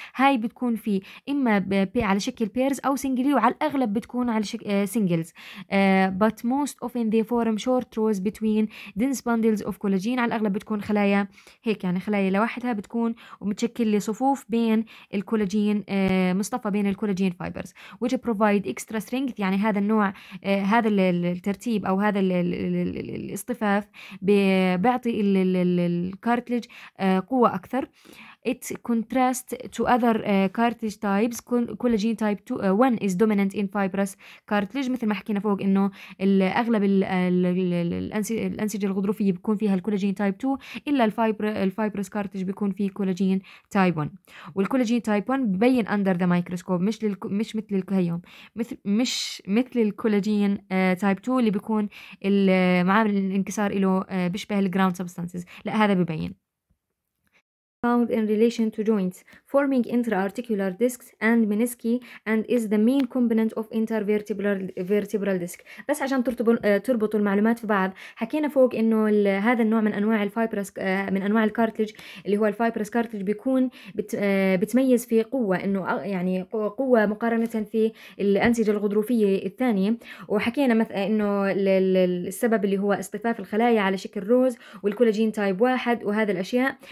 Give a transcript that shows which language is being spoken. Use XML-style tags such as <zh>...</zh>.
<ar>هاي بتكون في اما على شكل بيرز او سنجلي، وعلى الاغلب بتكون على شكل سنجلز.</ar> <en>But most often they form short rows between dense bundles of collagen.</en> <ar>على الاغلب بتكون خلايا هيك، يعني خلايا لوحدها بتكون ومتشكل لي صفوف بين الكولاجين مصطفى بين الكولاجين فايبرز.</ar> <en>which provide extra strength.</en> <ar>يعني هذا النوع هذا الترتيب او هذا الاصطفاف بيعطي الكارتليج قوه اكثر.</ar> <en>It contrasts to other cartilage types. Collagen type 1 is dominant in fibrous cartilage.</en> <ar>مثل ما حكينا فوق إنه الأغلب الأنسجة الغضروفية بيكون فيها الكولاجين type 2، إلا الفايبرس كارتليج بيكون فيه كولاجين type 1. والكولاجين type 1 ببين</ar> <en>under the microscope،</en> <ar>مش مش مثل الكهيوم، مش مثل الكولاجين type 2 اللي بيكون معامل الانكسار إله بيشبه الجراوند substances. لا هذا ببين.</ar> <en>found in relation to joints, forming intra-articular discs and menisci, and is the main component of intervertebral vertebral disc.</en> <ar>بس عشان تربطوا المعلومات في بعض، حكينا فوق إنه هذا النوع من أنواع الفايبرس، من أنواع الكارتلج اللي هو الفايبرس كارتلج، بيكون بتميز في قوة، إنه يعني قوة مقارنة في الأنسجة الغضروفية الثانية. وحكينا مثلا إنه السبب اللي هو اصطفاف الخلايا على شكل روز والكولاجين تايب واحد وهذا الأشياء.</ar>